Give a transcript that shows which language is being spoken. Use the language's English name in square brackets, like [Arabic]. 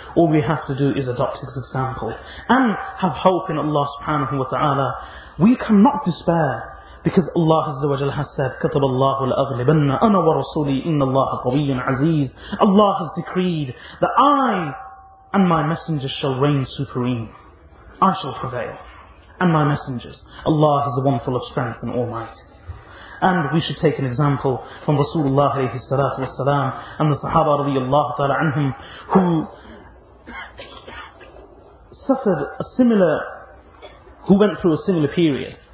[English] All we have to do is adopt his example. And have hope in Allah subhanahu wa ta'ala. We cannot despair. Because Allah Azza wa Jalla has said, [Arabic] كَتَبَ اللَّهُ لَأَغْلِبَنَّ أَنَا وَرَسُولِي إِنَّ اللَّهَ قَوِيٌّ عَزِيزٌ. [English] Allah has decreed that I and my messengers shall reign supreme. I shall prevail. And my messengers. Allah is the one full of strength and almighty. And we should take an example from Rasulullah alayhi salatu wasalam and the Sahaba radiyallahu ta'ala anhum who suffered a similar, who went through a similar period.